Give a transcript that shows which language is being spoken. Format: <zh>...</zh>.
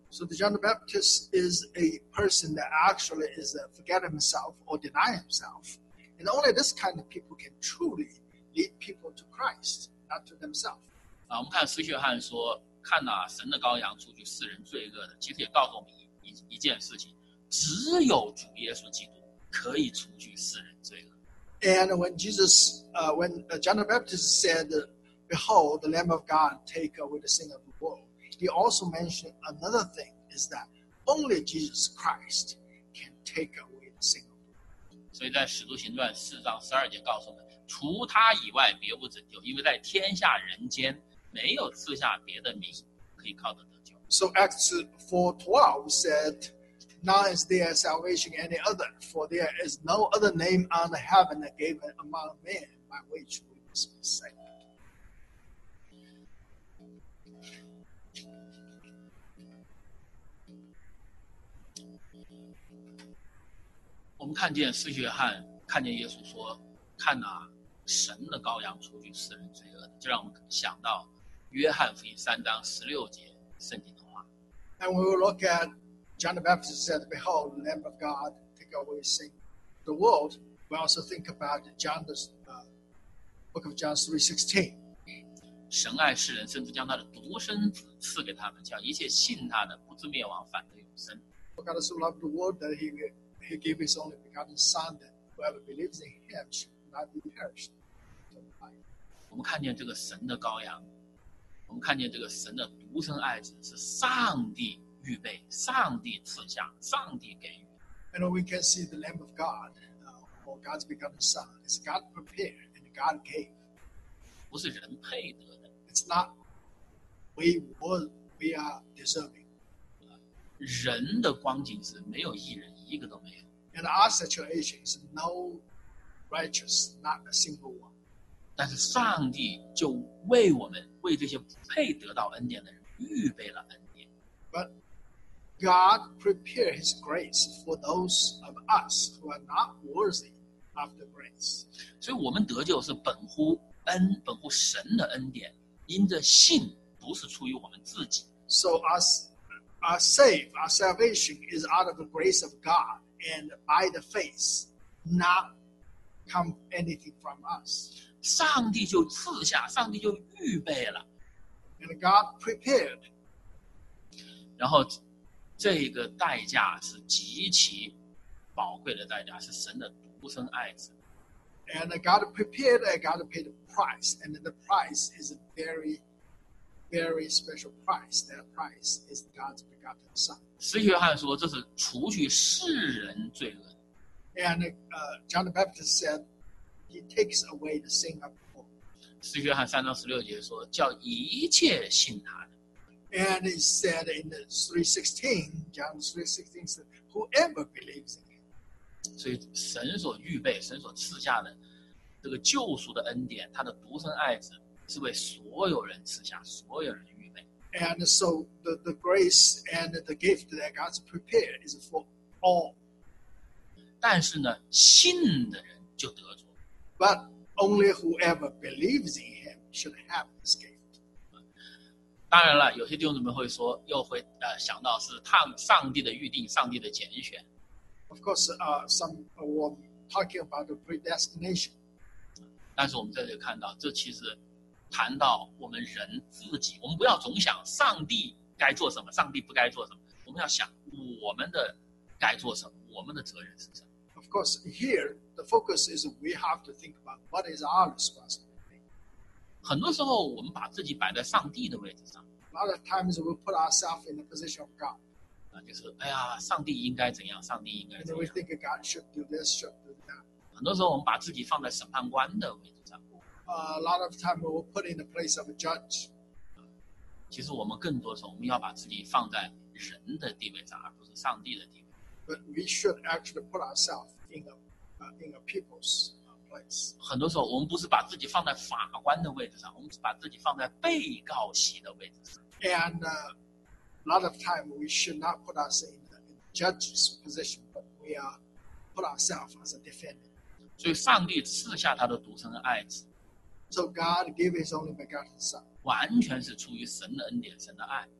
<en>So the John the Baptist is a person that actually is forget himself or deny himself. And only this kind of people can truly lead people to Christ, not to themselves.</en> <zh>我们看施洗约翰说，看哪，神的羔羊，除去世人罪恶的，其实也告诉我们 一件事情，只有主耶稣基督可以除去世人罪恶。</zh> <en>And when Jesus, when John the Baptist said, Behold, the Lamb of God, take away the sin of the world. He also mentioned another thing is that only Jesus Christ can take away the sin.</en> <zh>所以在使徒行传四章十二节告诉我们，除他以外别无拯救，因为在天下人间没有赐下别的名可以靠得得救。</zh> <en>So Acts 4:12 said, "Now is there salvation any other? For there is no other name under heaven given among men by which we must be saved."</en> <zh>我们看见施洗约翰看见耶稣说，看哪，神的羔羊除去世人罪恶的，就让我们想到约翰福音三章十六节圣经的话。</zh> <en>And we will look at John the Baptist said, Behold, the Lamb of God, take away sin the world. We also think about John the book of John 3:16.</en> <zh>神爱世人，甚至将他的独生子赐给他们，叫一切信他的不至灭亡，反得永生。</zh> <en>For God so loved the world that He gave His only begotten Son, that whoever believes in Him should not perish.</en> <zh>我们看见这个神的羔羊，我们看见这个神的独生爱子是上帝预备、上帝赐下、上帝给予。</zh> <en>And we can see the Lamb of God, or God's begotten Son, is God prepared and God gave.</en> <zh>不是人配得的。</zh> <en>It's not we are deserving.</en> <zh>人的光景是没有一人。一个都没有。</zh> <en>And our situation is no righteous, not a single one.</en> <zh>但是上帝就为我们，为这些不配得到恩典的人预备了恩典。</zh> <en>But God prepared His grace for those of us who are not worthy of the grace.</en> <zh>所以我们得救是本乎恩，本乎神的恩典，因着信，不是出于我们自己。</zh> <en>So us. Our salvation is out of the grace of God and by the faith, not come anything from us.</en> <zh>上帝就赐下，上帝就预备了。</zh> <en>And God prepared.</en> <zh>然后这个代价是极其宝贵的代价，是神的独生爱子。</zh> <en>And God prepared and God paid the price. And the price is a very, very special price. That price is God's.</en> <zh>施洗约翰说：“这是除去世人罪恶。”</zh> <en>And John the Baptist said, "He takes away the sin of the world."</en> <zh>施洗约翰三章十六节说：“叫一切信他的。”</zh> <en>And he said in 3:16, John 3:16 said, "Whoever believes in him."</en> <zh>所以神所预备、神所赐下的这个救赎的恩典，他的独生爱子是为所有人赐下，所有人。</zh> <en>And so the grace and the gift that God's prepared is for all.</en> <zh>但是呢，信的人就得着。</zh> <en>But only whoever believes in Him should have this gift.</en> <zh>当然了，有些弟兄姊妹会说，又会想到是上帝的预定，上帝的拣选。</zh> <en>Of course, we're talking about the predestination.</en> <zh>但是我们在这里看到，这其实。谈到我们人自己，我们不要总想上帝该做什么，上帝不该做什么。我们要想我们的该做什么，我们的责任是什么。</zh> <en>Of course, here the focus is we have to think about what is our responsibility.</en> <zh>很多时候，我们把自己摆在上帝的位置上。</zh> <en>A lot of times we put ourselves in the position of God.</en> <zh>就是哎呀，上帝应该怎样，上帝应该怎样。</zh> <en>And we think God should do this, should do that.</en> <zh>很多时候，我们把自己放在审判官的位置。</zh> <en>A lot of time we'll put in the place of a judge.</en> <zh>其实我们更多时候，我们要把自己放在人的地位上，而不是上帝的地位。</zh> <en>But we should actually put ourselves in a people's place. place.</en> <zh>很多时候我们不是把自己放在法官的位置上，我们是把自己放在被告席的位置上。</zh> <en>And a lot of time we should not put us in the judge's position, but we are put ourselves as a defendant.</en> <zh>所以上帝赐下他的独生爱子。</zh> <en>So God gave His only begotten Son.</en> <zh>完全是出于神的恩典，神的爱。</zh>